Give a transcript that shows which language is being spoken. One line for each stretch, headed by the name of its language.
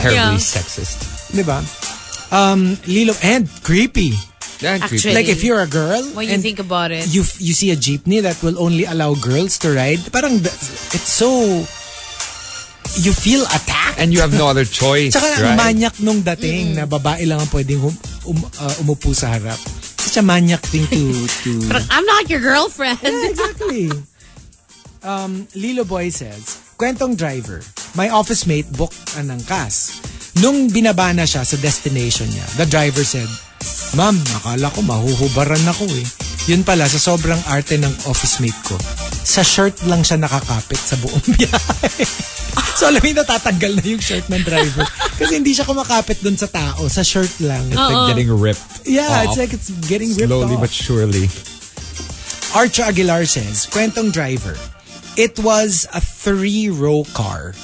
English: Terribly sexist. Diba? Lilo, and creepy. Actually, like if you're a girl, when you think about it, you see a jeepney that will only allow girls to ride, parang it's so... You feel attacked. And you have no other choice,
Filipino: tsaka,
English: right?
Filipino: Manyak nung dating na babae lang ang pwedeng umupo sa harap.
English: Such a manyak thing to... I'm not your girlfriend. Yeah, exactly. Lilo Boy says, Kuwentong driver, my office mate booked an angkas.
Filipino: Nung binaba na siya sa destination niya,
English: the driver said,
Filipino: Ma'am, akala ko mahuhubaran ako eh. Yun pala, sa sobrang arte ng office mate ko, sa shirt lang siya nakakapit sa buong biyahe. So alam niyo, natatanggal na yung shirt ng driver. Kasi hindi siya kumakapit dun sa tao, sa shirt lang.
English: It's like getting ripped Yeah, off. It's like it's getting ripped Slowly off. But surely. Archer Aguilar says, Kuwentong driver, it was a 3-row car.